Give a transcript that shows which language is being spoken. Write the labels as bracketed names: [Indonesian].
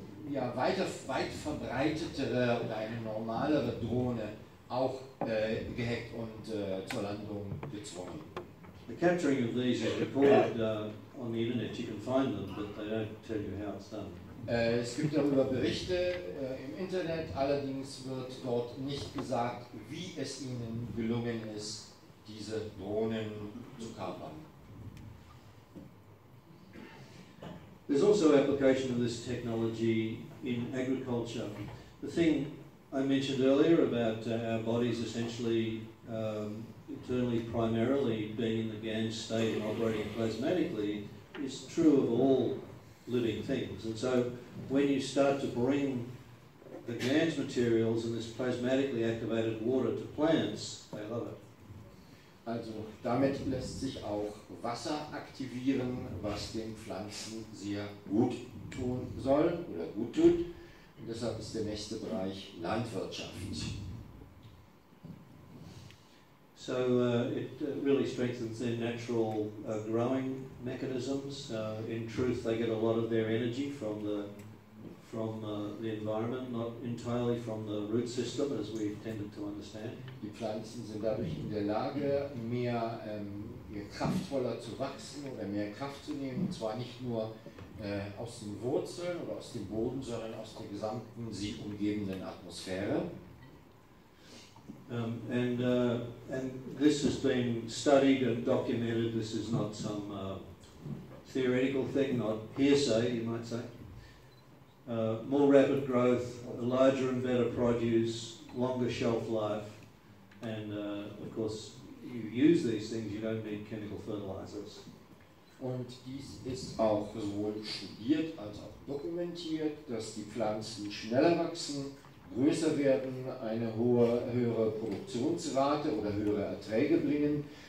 [German] ja, weit verbreitetere oder eine normalere Drohne auch gehackt und zur Landung gezwungen. [English] The capturing of these is reported on the internet. You can find them, but they don't tell you how it's done. [German] Es gibt darüber Berichte im Internet, allerdings wird dort nicht gesagt, wie es ihnen gelungen ist, diese Drohnen zu kapern. [English] There's also application of this technology in agriculture. The thing I mentioned earlier about our bodies essentially internally, primarily being in the GANS state and operating plasmatically is true of all living things. And so when you start to bring the GANS materials and this plasmatically activated water to plants, they love it. [German] Also damit lässt sich auch Wasser aktivieren, was den Pflanzen sehr gut tun soll oder gut tut. Und deshalb ist der nächste Bereich Landwirtschaft. [English] So it really strengthens their natural growing mechanisms. In truth, they get a lot of their energy from the environment, not entirely from the root system, as we tended to understand. [German] Die Pflanzen sind dadurch in der Lage, mehr kraftvoller zu wachsen oder mehr Kraft zu nehmen, und zwar nicht nur aus den Wurzeln oder aus dem Boden, sondern aus der gesamten sie umgebenden Atmosphäre. [English] And this has been studied and documented. This is not some theoretical thing, not hearsay, you might say. More rapid growth, larger and better produce, longer shelf life, and of course, you use these things, you don't need chemical fertilizers. [German] Und dies ist auch sowohl studiert als auch dokumentiert, dass die Pflanzen schneller wachsen, größer werden, eine höhere Produktionsrate oder höhere Erträge bringen.